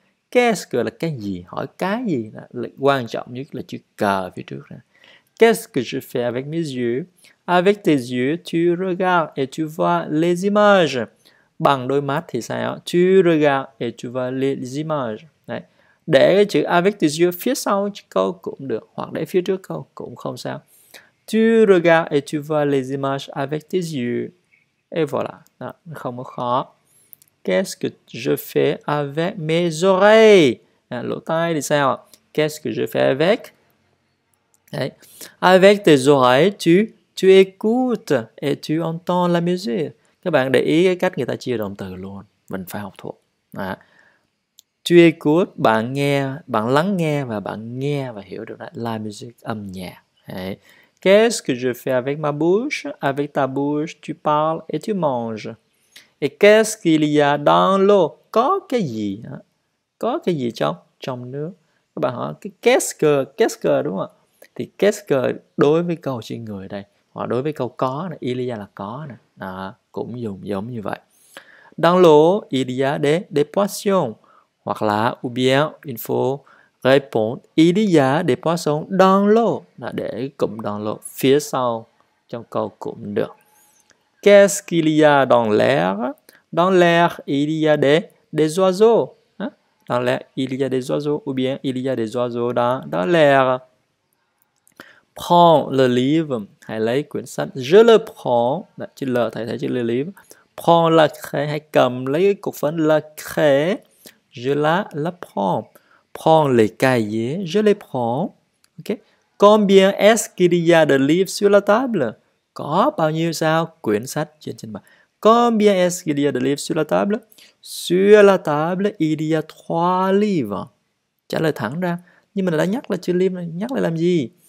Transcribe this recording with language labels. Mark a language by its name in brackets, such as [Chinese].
[French] Qu'est-ce que [Vietnamese] là cái gì? Hỏi cái gì? Là quan trọng nhất là chữ cờ phía trước nè. [French] Qu'est-ce que je fais avec mes yeux? Avec tes yeux, tu regardes et tu vois les images. [Vietnamese] Bằng đôi mắt thì sao? [French] Tu regardes et tu vois les images. [Vietnamese] Đấy. Để cái chữ [French] avec tes yeux [Vietnamese] phía sau câu cũng được, hoặc để phía trước câu cũng không sao. [French] Tu regardes et tu vois les images avec tes yeux. Et voilà. [Vietnamese] Đó, không có khó. [French] Qu'est-ce que je fais avec mes oreilles? [Vietnamese] Lỗ tai thì sao? [French] Qu'est-ce que je fais avec? [Vietnamese] Đấy. [French] Avec tes oreilles, tu écoutes et tu entends la musique. [Vietnamese] Các bạn để ý cái cách người ta chia động từ luôn. Mình phải học thuộc. Đó. [French] Tu écoutes, [Vietnamese] bạn nghe, bạn lắng nghe và bạn nghe và hiểu được đó. [French] La musique, [Vietnamese] âm nhạc. Đấy. [French] Qu'est-ce que je fais avec ma bouche? Avec ta bouche, tu parles et tu manges. Et qu'est-ce qu'il y a dans l'eau? [Vietnamese] Có cái gì? Có cái gì trong trong nước? Các bạn hỏi cái [French] qu'est-ce que [Vietnamese] đúng không? Thì qu'est-ce que đối với câu chữ người đây, hoặc đối với câu có này, [French] il y a [Vietnamese] là có này, đó, cũng dùng giống như vậy. [French] Dans l'eau, il y a des poissons. [Vietnamese] Hoặc là [French] ou bien il faut répondre, il y a des poissons dans l'eau. [Vietnamese] Là để cụm [French] dans l'eau [Vietnamese] phía sau trong câu cũng được. [French] Qu'est-ce qu'il y a dans l'air? Dans l'air, il y a des oiseaux. Dans l'air, il y a des oiseaux. Ou bien, il y a des oiseaux dans l'air. Prends le livre. [Vietnamese] Hãy lấy quyển sách. [French] Je le prends. [Vietnamese] Là, chữ L, thầy thấy chữ le livre. [French] Prends la craie. [Vietnamese] Hãy cầm lấy cục phấn la craie. [French] Je la prends. Prends les cahiers. Je les prends. Ok. Combien est-ce qu'il y a de livres sur la table? [Vietnamese] Có bao nhiêu sao? Quyển sách trên bàn. [French] Combien est-ce qu'il y a de livres sur la table? Sur la table, il y a trois livres. [Vietnamese] Trả lời thẳng ra. Nhưng mình đã nhắc là chữ livre, nhắc lại làm gì?